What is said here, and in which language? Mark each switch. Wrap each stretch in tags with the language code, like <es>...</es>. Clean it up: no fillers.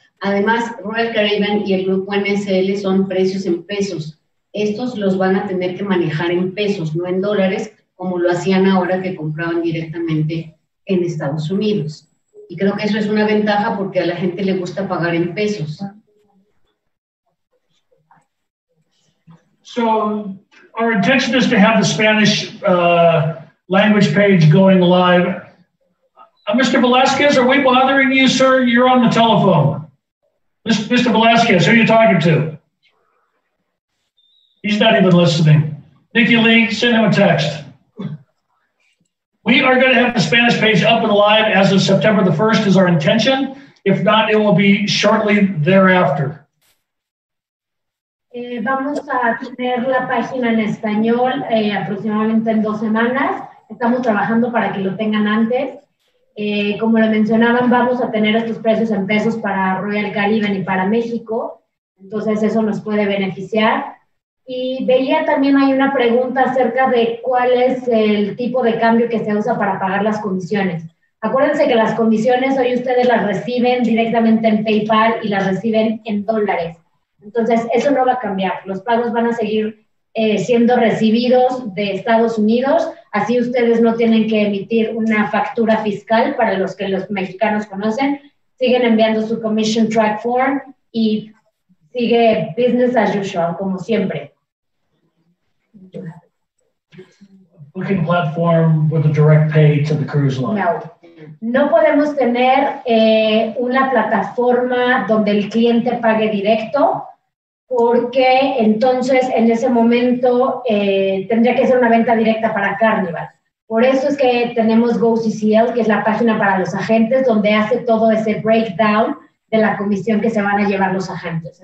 <es>Además, Royal Caribbean y el grupo NSL son precios en pesos. Estos los van a tener que manejar en pesos, no en dólares, como lo hacían ahora que compraban directamente en Estados Unidos. Y creo que eso es una ventaja porque a la gente le gusta pagar en pesos.</es> <en>So, our intention is to have the Spanish language page going live. Mr. Velasquez, are we bothering you, sir? You're on the telephone. Mr. Velasquez, who are you talking to? He's not even listening. Nikki Lee, send him a text. We are going to have the Spanish page up and live as of September the 1st is our intention. If not, it will be shortly thereafter.</en> <es>Vamos a tener la página en español aproximadamente en dos semanas. estamos trabajando para que lo tengan antes. Como lo mencionaban, vamos a tener estos precios en pesos para Royal Caribbean y para México, entonces eso nos puede beneficiar. Y veía también hay una pregunta acerca de cuál es el tipo de cambio que se usa para pagar las comisiones. Acuérdense que las comisiones hoy ustedes las reciben directamente en PayPal y las reciben en dólares. Entonces, eso no va a cambiar. Los pagos van a seguir siendo recibidos de Estados Unidos. Así ustedes no tienen que emitir una factura fiscal para los que los mexicanos conocen. Siguen enviando su commission track form y sigue</es> <en>business as usual,</en> <es>como siempre.</es> <en>Booking platform with a direct pay to the cruise line. No.</en> <es>No podemos tener una plataforma donde el cliente pague directo, porque entonces en ese momento tendría que ser una venta directa para Carnival. Por eso es que tenemos GoCCL, que es la página para los agentes, donde hace todo ese breakdown de la comisión que se van a llevar los agentes.</es>